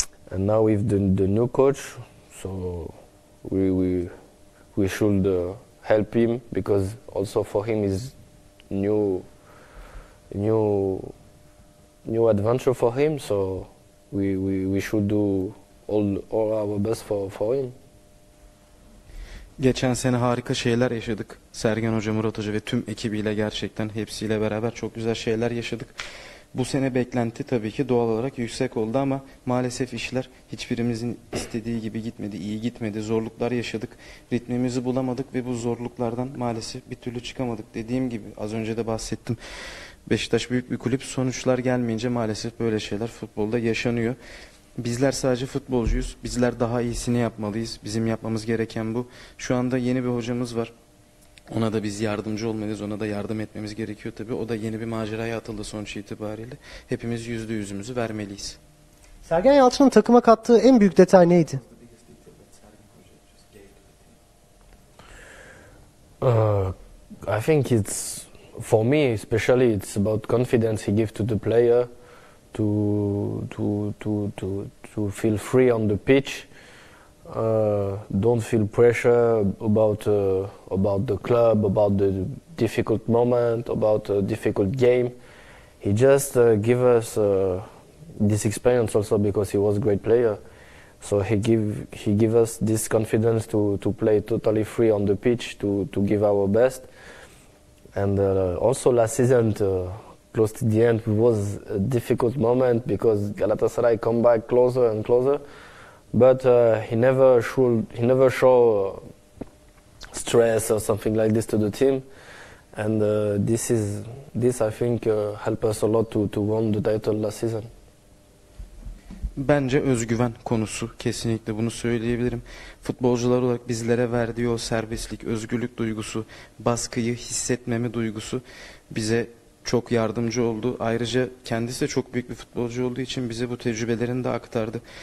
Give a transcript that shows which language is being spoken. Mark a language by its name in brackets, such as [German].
[English] And now with the new coach, so we should help him, because also for him is new adventure for him. So we should do all our best for him. [Turkish] Geçen sene harika şeyler yaşadık. Sergen Hoca, Murat Hoca ve tüm ekibiyle, gerçekten hepsiyle beraber çok güzel şeyler yaşadık. Bu sene beklenti tabii ki doğal olarak yüksek oldu ama maalesef işler hiçbirimizin istediği gibi gitmedi, iyi gitmedi. Zorluklar yaşadık, ritmimizi bulamadık ve bu zorluklardan maalesef bir türlü çıkamadık. Dediğim gibi az önce de bahsettim, Beşiktaş büyük bir kulüp, sonuçlar gelmeyince maalesef böyle şeyler futbolda yaşanıyor. Bizler sadece futbolcuyuz, bizler daha iyisini yapmalıyız, bizim yapmamız gereken bu. Şu anda yeni bir hocamız var. Ona da biz yardımcı olmalıyız, ona da yardım etmemiz gerekiyor tabii. O da yeni bir maceraya atıldı sonuç itibariyle. Hepimiz %100'ümüzü vermeliyiz. Sergen Yalçın'ın takıma kattığı en büyük detay neydi? [English] I think it's, for me especially, it's about confidence he gives to the player to feel free on the pitch. Don't feel pressure about the club, about the difficult moment, about a difficult game. He just give us this experience also, because he was a great player. So he give us this confidence to play totally free on the pitch, to give our best. And also last season, close to the end, was a difficult moment because Galatasaray come back closer and closer. But he never show stress or something like this to the team, and this I think helped us a lot to win the title last season. [Turkish] Bence özgüven konusu, kesinlikle bunu söyleyebilirim. Futbolcular olarak bizlere verdiği o serbestlik, özgürlük duygusu, baskıyı hissetmeme duygusu bize çok yardımcı oldu. Ayrıca kendisi de çok büyük bir futbolcu olduğu için bize bu tecrübelerini de aktardı.